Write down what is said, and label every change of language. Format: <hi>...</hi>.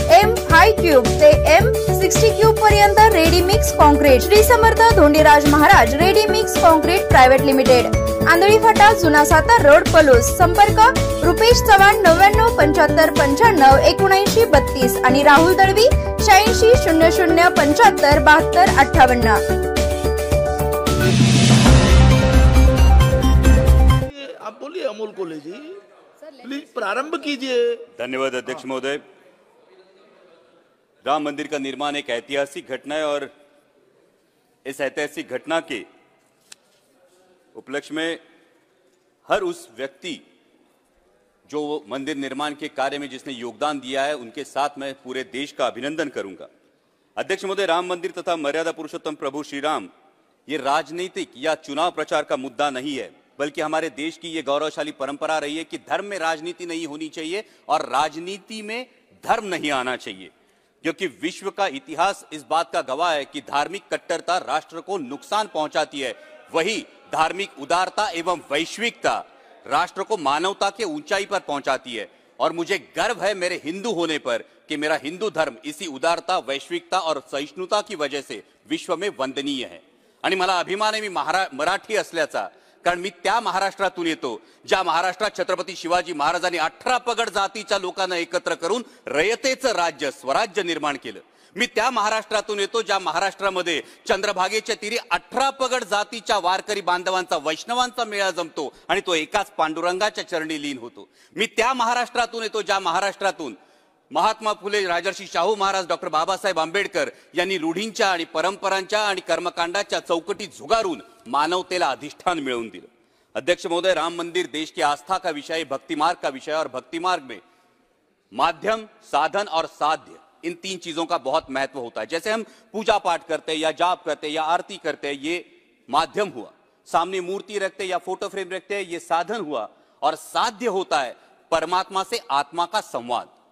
<mr>M5 cube ते M60 cube पर्यंत ready mix concrete, Shri Samarth Dhondiraj Maharaj ready mix concrete private limited, आंधळी फाटा जुना सातार रोड पलूस, संपर्क रुपेश चव्हाण 99 75 95 79 32 आणि राहुल दळवी 86 00 75 72 58।</mr> <hi>आप बोलिए अमोल कोले जी, प्लीज प्रारंभ कीजिए। धन्यवाद अध्यक्ष महोदय। राम मंदिर का निर्माण एक ऐतिहासिक घटना है और इस ऐतिहासिक घटना के उपलक्ष्य में हर उस व्यक्ति जो मंदिर निर्माण के कार्य में जिसने योगदान दिया है उनके साथ मैं पूरे देश का अभिनंदन करूंगा। अध्यक्ष महोदय, राम मंदिर तथा मर्यादा पुरुषोत्तम प्रभु श्री राम ये राजनीतिक या चुनाव प्रचार का मुद्दा नहीं है, बल्कि हमारे देश की ये गौरवशाली परंपरा रही है कि धर्म में राजनीति नहीं होनी चाहिए और राजनीति में धर्म नहीं आना चाहिए, क्योंकि विश्व का इतिहास इस बात का गवाह है कि धार्मिक कट्टरता राष्ट्र को नुकसान पहुंचाती है, वही धार्मिक उदारता एवं वैश्विकता राष्ट्र को मानवता के ऊंचाई पर पहुंचाती है। और मुझे गर्व है मेरे हिंदू होने पर कि मेरा हिंदू धर्म इसी उदारता वैश्विकता और सहिष्णुता की वजह से विश्व में वंदनीय है।</hi> <mr>आणि मला अभिमान आहे मी मराठी असल्याचा, कारण मी त्या महाराष्ट्रातून येतो ज्या महाराष्ट्रात छत्रपती शिवाजी महाराजांनी 18 पगड जातीच्या लोकांना एकत्र करून रयतेचं राज्य स्वराज्य निर्माण केलं। मी त्या महाराष्ट्रातून येतो ज्या महाराष्ट्रामध्ये चंद्रभागेच्या तीरी 18 पगड जातीच्या वारकरी बांधवांचा वैष्णवांचा मेळा जमतो आणि तो एकाच पांडुरंगाच्या चरणी लीन होतो। मी त्या महाराष्ट्रातून येतो ज्या महाराष्ट्रातून महात्मा फुले राजर्षी शाहू महाराज डॉक्टर बाबासाहेब आंबेडकर यांनी रूढींच्या आणि परंपरांच्या आणि कर्मकांडाच्या चौकटी झुगारून मानवतेला अधिष्ठान मिळवून दिलं।</mr> <hi>अध्यक्ष महोदय, राम मंदिर देश की आस्था का विषय, भक्तिमार्ग का विषय, और भक्तिमार्ग में माध्यम साधन और साध्य इन तीन चीजों का बहुत महत्व होता है। जैसे हम पूजा पाठ करते हैं या जाप करते हैं या आरती करते हैं, ये माध्यम हुआ, सामने मूर्ति रखते या फोटो फ्रेम रखते हैं ये साधन हुआ, और साध्य होता है परमात्मा से आत्मा का संवाद।</hi>